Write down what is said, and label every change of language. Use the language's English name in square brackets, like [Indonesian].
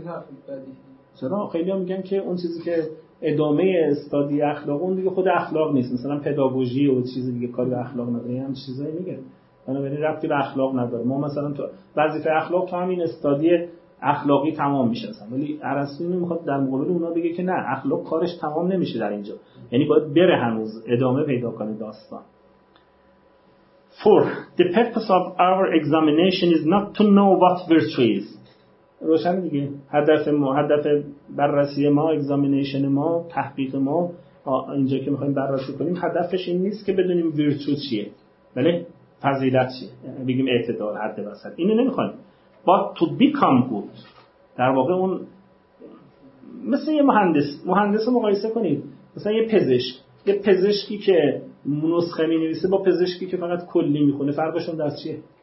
[Persian] حرف بدی. چرا خیلی‌ها میگن که اون چیزی که ادامه استادی اخلاق، اون دیگه خود اخلاق نیست، مثلا پداگوژی و چیز دیگه کاری به اخلاق نداره، هم چیزایی میگه بنابراین ربطی به اخلاق نداره. ما مثلا تو وظیفه اخلاق تو همین استادی اخلاقی تمام میشه اصلا، ولی ارسطو میخواد در مقابل اونا بگه که نه، اخلاق کارش تمام نمیشه در اینجا، یعنی باید بره هنوز ادامه پیدا کنه داستان. [English] For the purpose of our examination is not to know what virtue is. [Persian] روشن دیگه، هدف ما، هدف بررسی ما، examination ما، تحقیق ما، اینجا که میخواییم بررسی کنیم، هدفش این نیست که بدونیم ویرتو چیه، بله؟ فضیلت چیه، بگیم اعتدال، حد وسط، اینو نمیخواییم. [English] But to become good، [Persian] در واقع اون مثل یه مهندس، مهندس رو مقایسه کنید، مثلا یه پزشک، یه پزشکی که نسخه می‌نویسه با پزشکی که فقط کلی میخونه، فرقشون در چیه؟